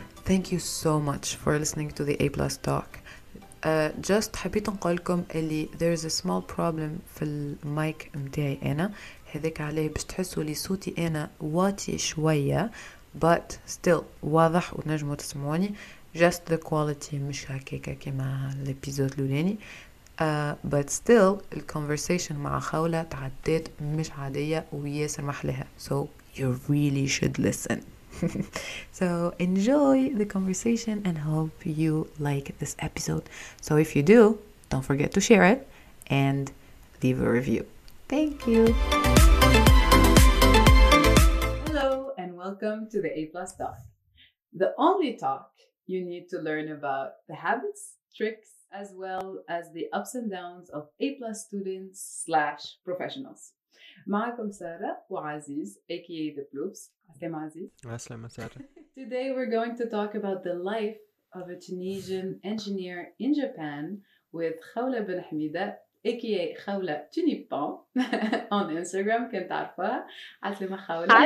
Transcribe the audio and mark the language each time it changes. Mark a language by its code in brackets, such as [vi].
[en] Thank you so much for listening to the A Plus Talk. Just [ar] حبيت نقولكم اللي [en] there is a small problem [ar] في المايك متاعي أنا. هذاك عليه باش تحسوا لي صوتي أنا واطي شوية, [en] but still [ar] واضح ونجمو تسمعوني. [en] Just the quality [ar] مش هكاكا كيما الابيزود الأولاني. [en] But still the conversation [ar] مع خولة تعدات مش عادية وياسر محلها. [en] So you really should listen. So enjoy the conversation and hope you like this episode. So if you do, don't forget to share it and leave a review. Thank you. Hello and welcome to the A Plus Talk, the only talk you need to learn about the habits, tricks, as well as the ups and downs of A Plus students slash professionals. [ar] معكم سارة وعزيز, [en] aka the Ploops. [ar] أسلام عزيز. أسلام سارة. [en] Today we're going to talk about the life of a Tunisian engineer in Japan with خولة بن حميدة, aka خولة تونيبان, on Instagram. [ar] كنت تعرفها. أسلام خولة.